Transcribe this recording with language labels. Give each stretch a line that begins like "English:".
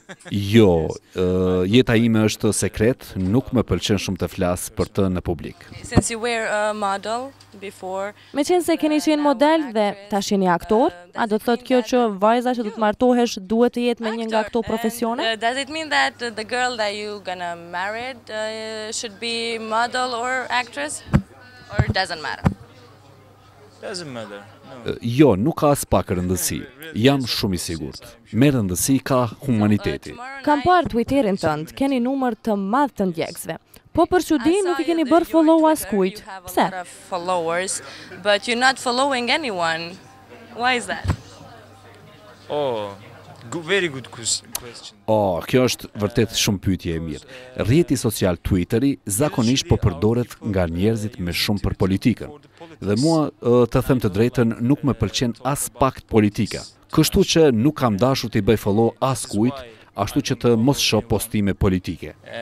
Albanian: Jo, jeta ime është sekret, nuk më pëlqen shumë të flas për të në publik.
English: Since you were a model before.
Albanian: Me qenë se keni qenë model dhe tash jeni aktor, a do të thotë kjo që vajza që do të martohesh duhet të jetë me një nga këto profesione?
English: Does it mean that the girl that you gonna marry should be model or actress or doesn't matter? Doesn't matter.
Albanian: Jo, nuk ka as pak rëndësi. Jam shumë i sigurt. Me rëndësi ka humaniteti. Kam parë Twitterin tënd, keni numër të madh të ndjekësve. Po për çudi nuk i keni bërë follow as kujt. Pse?
English: Followers, but you're not following anyone. Why is that? Oh, Very good question.
Albanian: Oh, kjo është vërtet shumë pyetje e mirë. Rrjeti social Twitteri zakonisht po përdoret nga njerëzit me shumë për politikën. Dhe mua, të them të drejtën, nuk më pëlqen as pak politika. Kështu që nuk kam dashur t'i bëj follow as kujt, ashtu që të mos shoh postime politike.